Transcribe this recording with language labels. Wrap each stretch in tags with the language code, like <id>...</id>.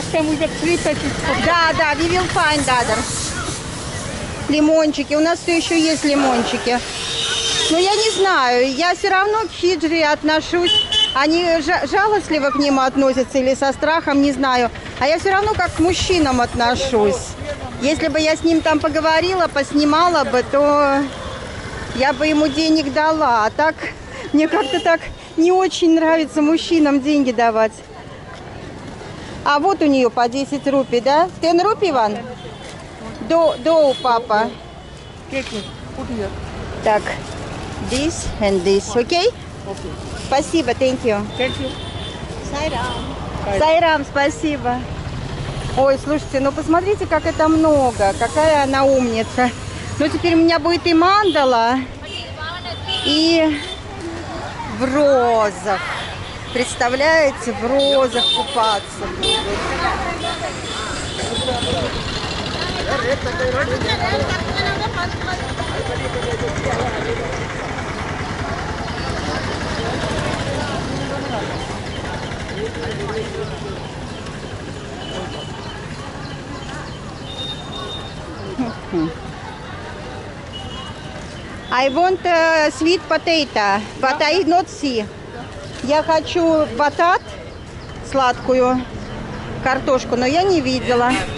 <ru>Да, да,</ru> <en>we will find other.</en> <ru>Лимончики. У нас все еще есть лимончики. Но я не знаю. Я все равно к хиджре отношусь. Они жалостливо к ним относятся или со страхом, не знаю. А я все равно как к мужчинам отношусь. Если бы я с ним там поговорила, поснимала бы, то... Я бы ему денег дала, а так мне как-то так не очень нравится мужчинам деньги давать. А вот у нее по 10 рупий, да? 10 рупий, Иван? До у папа. Так,</ru> <en>this and this,</en> <ru>окей?</ru> <en>Okay?</en> <ru>Спасибо,</ru> <en>thank you. Thank you.</en> <ru>Сайрам. Сайрам, спасибо. Ой, слушайте, ну посмотрите, как это много, какая она умница. Ну теперь у меня будет и мандала, и в розах. Представляете, в розах купаться.</ru> <en>I want sweet potato, but I not see.</en> <ru>Я хочу батат, сладкую картошку, но я не видела.</ru>